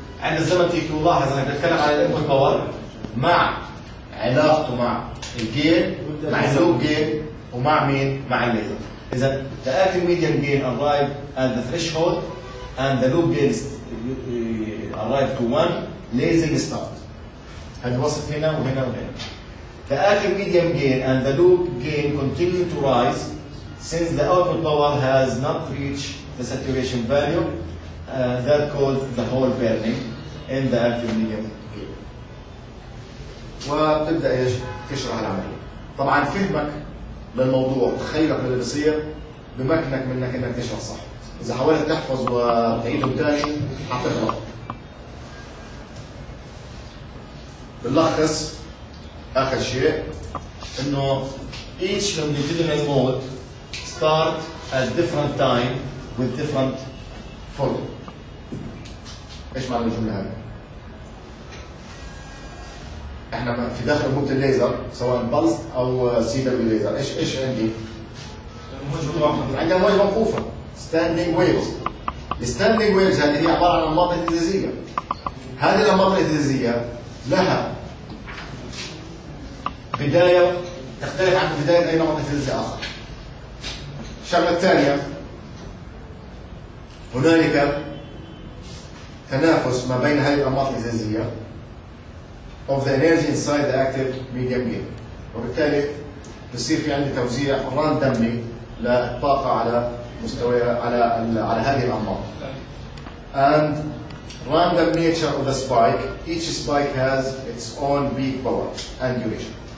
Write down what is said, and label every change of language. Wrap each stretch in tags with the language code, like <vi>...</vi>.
<ar>عند الزمن تي 2 لاحظ أنك بتتكلم على الإنبوت باور مع علاقته مع الجين مع اللوب جين ومع مين؟ مع الليزر.</ar> <en>إذا the active medium gain arrive and the threshold and the loop gain arrive to 1 lasing start.</en> <ar>هذا الوصف هنا وهنا وهنا.</ar> <en>The active medium gain and the loop gain continue to rise since the output power has not reached the saturation value that caused the hole burning in the active medium gain.</en> <ar>وبتبدا ايش؟ تشرح العمليه. طبعا فهمك للموضوع وتخيلك للي بصير بمكنك منك انك تشرح صح. اذا حاولت تحفظ وتعيده ثاني حتغلط. بنلخص اخر شيء انه</ar> <en>each longitudinal mode start at different time with different photo.</en> <ar>ايش معنى الجمله هذه؟ احنا في داخل موجه الليزر سواء بلس او سي دبليو ليزر، ايش عندي؟ موجه واحده. عندي موجه موقوفه ستاندنج ويفز. الستاندنج ويفز هذه هي عباره عن انماط اهتزازيه. هذه الانماط الاهتزازيه لها بداية تختلف عن بداية أي نمط اهتزازي آخر. الشغلة الثانية هنالك تنافس ما بين هذه الأنماط الاهتزازية</ar> <en>of the energy inside the active medium gain،</en> <ar>وبالتالي بصير في عندي توزيع راندمي للطاقة على مستوى على هذه الأنماط.</ar> <en>And random nature of the spike, each spike has its own peak power and duration.</en>